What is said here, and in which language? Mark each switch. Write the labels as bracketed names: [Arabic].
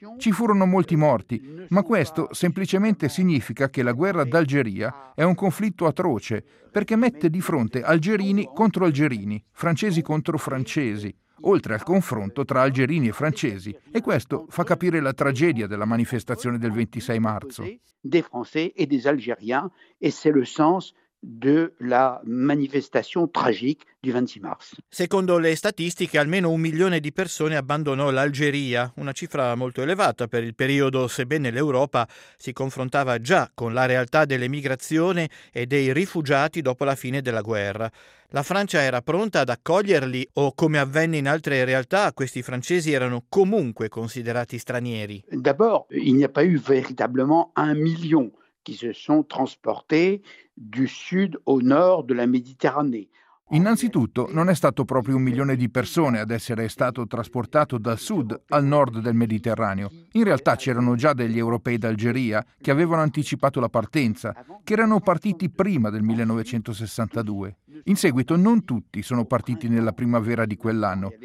[Italian] Ci furono molti morti, ma questo semplicemente significa che la guerra d'Algeria è un conflitto atroce perché mette di fronte algerini contro algerini, francesi contro francesi, oltre al confronto tra algerini e francesi. E questo fa capire la tragedia della manifestazione del 26 marzo. [French] Des Français et des Algériens, e c'est le sens de la manifestation tragique du 26 mars. [Italian] Secondo le statistiche, almeno 1 milione di persone abbandonò l'Algeria, una cifra molto elevata per il periodo, sebbene l'Europa si confrontava già con la realtà dell'emigrazione e dei rifugiati dopo la fine della guerra. La Francia era pronta ad accoglierli o, come avvenne in altre realtà, questi francesi erano comunque considerati stranieri? [French] D'abord, il n'y a pas eu véritablement 1 million qui se sont transportés du sud au nord de la Méditerranée. [Italian] Innanzitutto, non è stato proprio 1 milione di persone ad essere stato trasportato dal sud al nord del Mediterraneo. In realtà c'erano già degli europei d'Algeria che avevano anticipato la partenza, che erano partiti prima del 1962. In seguito, non tutti sono partiti nella primavera di quell'anno.